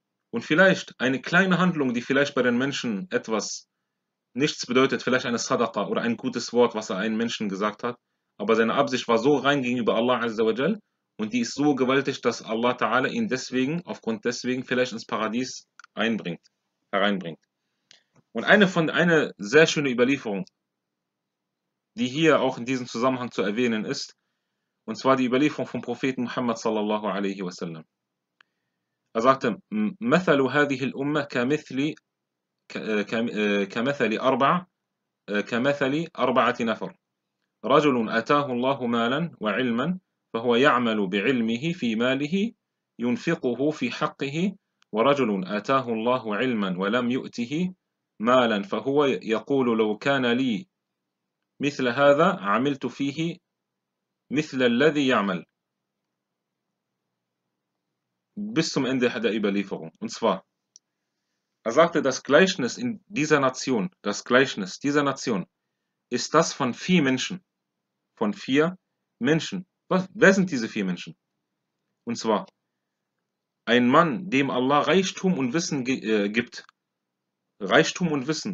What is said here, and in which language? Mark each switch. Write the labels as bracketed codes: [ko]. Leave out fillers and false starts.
[de] Und vielleicht eine kleine Handlung, die vielleicht bei den Menschen etwas nichts bedeutet, vielleicht eine Sadaqa oder ein gutes Wort, was er einem Menschen gesagt hat, aber seine Absicht war so rein gegenüber Allah Azza wa Jal, und die ist so gewaltig, dass Allah Ta'ala ihn deswegen, aufgrund deswegen, vielleicht ins Paradies hereinbringt. Und eine sehr schöne Überlieferung, die hier auch in diesem Zusammenhang zu erwähnen ist, und zwar die Überlieferung vom Propheten Muhammad sallallahu alaihi wasallam. [ar] Er sagte, مَثَلُ هَذِهِ الْأُمَّةِ كَمِثْلِ أَرْبَعَ كمثل أربعة نفر: رجل أتاه الله مالا وعلما فهو يعمل بعلمه في ماله ينفقه في حقه، ورجل أتاه الله علما ولم يؤته مالا فهو يقول لو كان لي مثل هذا عملت فيه مثل الذي يعمل. [de] Bis zum Ende der Überlieferung. Und zwar, er sagte, das Gleichnis in dieser Nation, das Gleichnis dieser Nation, ist das von vier Menschen. Von vier Menschen. Wer sind diese vier Menschen? Und zwar, ein Mann, dem Allah Reichtum und Wissen gibt. Reichtum und Wissen.